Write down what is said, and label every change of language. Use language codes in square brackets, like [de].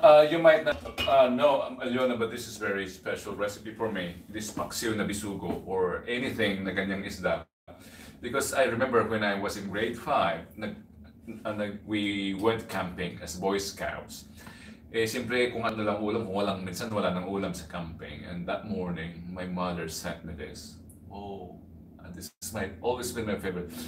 [en] You might not know, Leona, but this is very special recipe for me. This [tl] paksiw na bisugo [en] or anything [tl] na ganyang isda. [en] Because I remember when I was in grade 5, we went camping as Boy Scouts. [tl] Eh, siyempre, kung ano lang ulam, kung walang, minsan wala ng ulam sa camping. [en] And that morning, my mother sent me this. Oh, and this is my, always been my favorite.